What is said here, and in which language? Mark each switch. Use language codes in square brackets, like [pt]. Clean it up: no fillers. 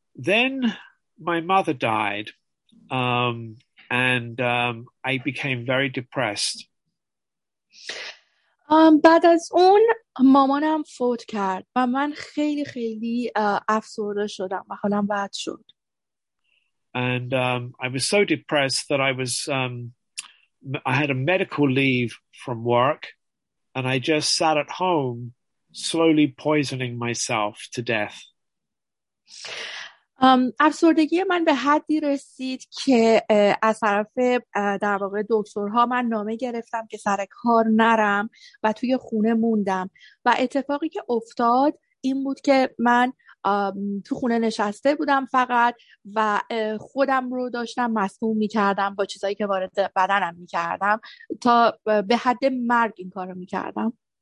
[en] Then my mother died, and I became very depressed. [fa] بعد از اون مامانم فوت کرد و من خیلی خیلی افسرده شدم و حالم بد شد. [en] And I was so depressed that I had a medical leave from work, and I just sat at home, slowly poisoning myself to death. [fa] افسردگی من به حدی رسید که از طرف در واقع دکترها من نامه گرفتم که سر کار نرم و توی خونه موندم، و اتفاقی که افتاد این بود که من تو خونه نشسته بودم فقط و خودم رو داشتم مسموم می کردم با چیزایی که وارد بدنم می کردم تا به حد مرگ این کار رو می کردم.